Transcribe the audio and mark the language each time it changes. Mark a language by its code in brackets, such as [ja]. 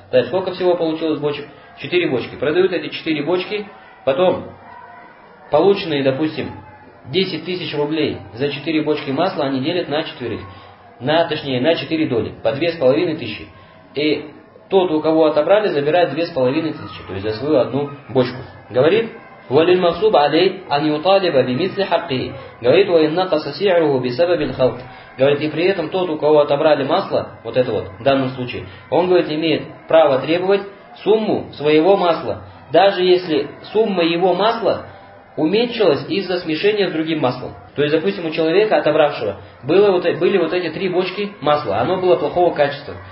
[ru] То есть сколько всего получилось бочек? 4 бочки. Продают эти 4 бочки, потом полученные, допустим, 10 тысяч рублей за 4 бочки масла они делят на 4, на 4 доли, по 2,5 тысячи. И тот, у кого отобрали, забирает 2,5 тысячи, то есть за свою 1 бочку. Говорит... [ar] وللمغصوب عليه أن يطالب بمثل حقه. [ru] Говорит, [ar] وإن نقص سعره بسبب الخلط. [ru] Говорит, и при этом тот, у кого отобрали масло, вот это вот, в данном случае, он, говорит, имеет право требовать сумму своего масла, даже если сумма его масла уменьшилась из-за смешения с другим маслом. То есть, допустим, у человека, отобравшего, были вот эти 3 бочки масла, оно было плохого качества.